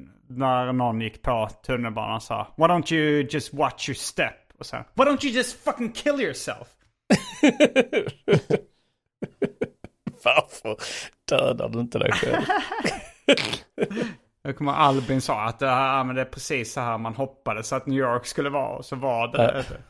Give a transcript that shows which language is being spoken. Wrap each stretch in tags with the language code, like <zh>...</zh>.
<sv>När någon gick på tunnelbanan och sa,</sv> <en>why don't you just watch your step?</en> <sv>Och sen,</sv> <en>why don't you just fucking kill yourself?</en> <sv>Varför dödar du inte dig själv? Jag kommer ihåg Albin sa att men det är precis så här man hoppade så att New York skulle vara, och så var det.</sv>